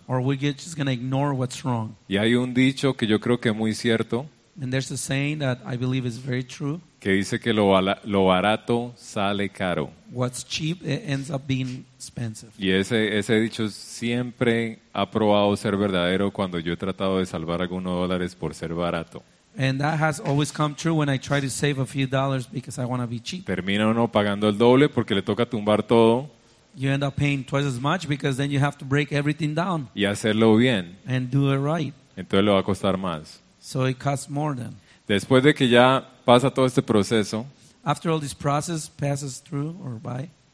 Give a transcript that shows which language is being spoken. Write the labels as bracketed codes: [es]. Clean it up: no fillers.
[en] Or we're just going to ignore what's wrong. [es] Y hay un dicho que yo creo que es muy cierto. [en] And there's a saying that I believe is very true. [es] Que dice que lo barato sale caro. [en] What's cheap ends up being expensive. [es] Y ese dicho siempre ha probado ser verdadero cuando yo he tratado de salvar algunos dólares por ser barato. [en] And that has always come true when I try to save a few dollars because I want to be cheap. [es] Termina uno pagando el doble porque le toca tumbar todo. [en] You end up paying twice as much because then you have to break everything down. [es] Y hacerlo bien. [en] And do it right. [es] Entonces le va a costar más. [en] So it costs more then. [es] Después de que ya pasa todo este proceso. [en] After all this process passes through or by.